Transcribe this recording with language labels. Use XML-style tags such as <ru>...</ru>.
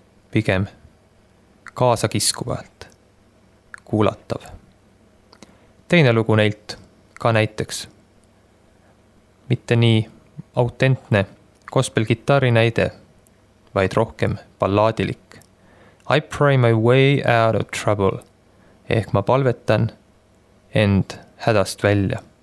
<et>Pigem kaasa kiskuvalt. Kuulatav. Teine lugu neilt ka näiteks. Mitte nii autentne gospelgitari näide, vaid rohkem ballaadilik.</et> <en>I pray my way out of trouble.</en> <et>Ehk ma palvetan end hädast välja.</et>